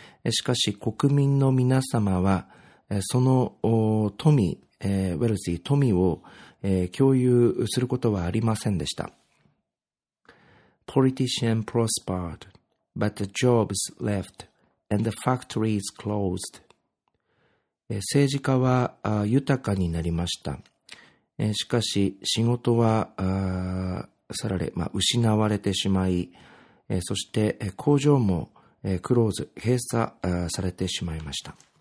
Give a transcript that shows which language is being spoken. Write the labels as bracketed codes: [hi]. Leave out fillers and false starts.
[ja] しかし国民の皆様はその富、ウェルシー富を共有することはありませんでした。 [en] Politician prospered, but the jobs left and the factories closed. [ja] 政治家は豊かになりました。しかし仕事は去られ、失われてしまい、そして工場もクローズ、閉鎖されてしまいました。